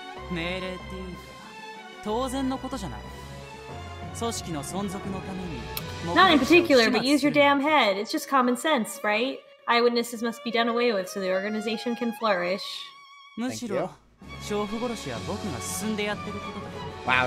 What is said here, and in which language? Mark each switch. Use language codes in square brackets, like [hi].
[ja] 命令っていうか、当然のことじゃない。組織の存続のために。 [en] Not in particular, but use your damn head. It's just common sense, right? Eyewitnesses must be done away with so the organization can flourish. Thank you. [ja] 娼婦殺しは僕が進んでやってることだ。